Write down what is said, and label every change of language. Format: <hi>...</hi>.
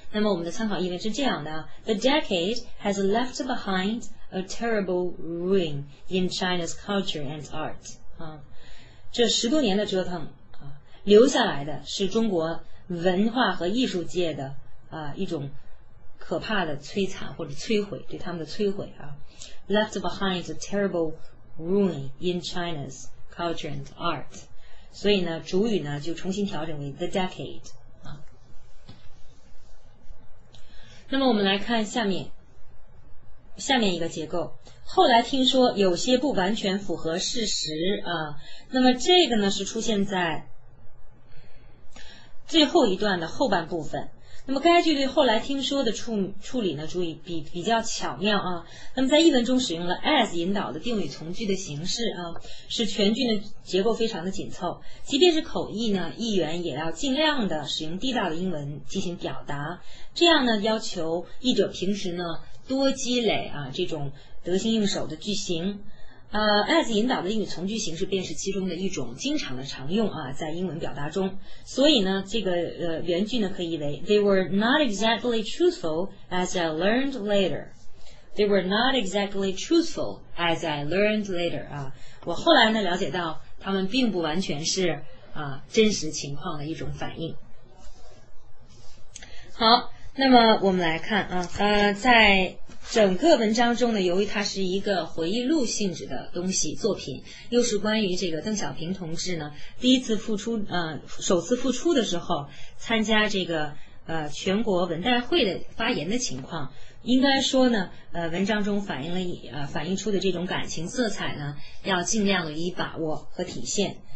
<zh>那么我们的参考译文是这样的</zh> <en>：The decade has left behind a terrible ruin in China's culture and art。</en> <zh>啊，这十多年的折腾啊，留下来的是中国文化和艺术界的一种可怕的摧残或者摧毁，对他们的摧毁啊。</zh> <en>Left behind a terrible ruin in China's culture and art。</en> <zh>所以呢主语呢就重新调整为 the decade、啊、那么我们来看下面一个结构，后来听说有些不完全符合事实啊。那么这个呢是出现在最后一段的后半部分，那么该句对后来听说的处理呢，注意比较巧妙啊。那么在译文中使用了 as 引导的定语从句的形式啊，使全句的结构非常的紧凑。即便是口译呢，译员也要尽量的使用地道的英文进行表达，这样呢要求译者平时呢多积累啊这种得心应手的句型。 as 引导的英语从句形式便是其中的一种经常的常用啊，在英文表达中。所以呢这个原句呢可以译为</zh> <en>They were not exactly truthful as I learned later. They were not exactly truthful as I learned later.</en> <zh>啊，我后来呢了解到他们并不完全是真实情况的一种反应。好，那么我们来看啊，在整个文章中呢，由于它是一个回忆录性质的东西作品，又是关于这个邓小平同志呢第一次复出首次复出的时候参加这个全国文代会的发言的情况，应该说呢文章中反映出的这种感情色彩呢要尽量的予以把握和体现。</zh>